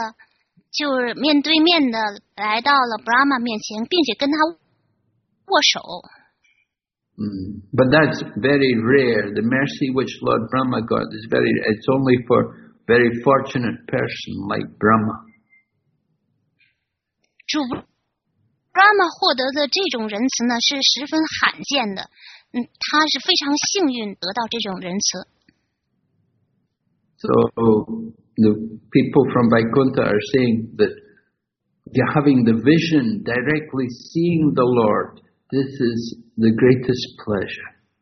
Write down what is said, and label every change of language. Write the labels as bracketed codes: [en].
[zh] 然而，主是直接的，就是面对面的来到了 Brahma 面前，并且跟他握手。 [en] But that's very rare. The mercy which Lord Brahma got is very, it's only for very fortunate person like Brahma. [zh] 主 Brahma 获得的这种仁慈呢，是十分罕见的。他是非常幸运得到这种仁慈。 [en] So the people from Vaikuntha are saying that they're having the vision, directly seeing the Lord, this is the greatest pleasure.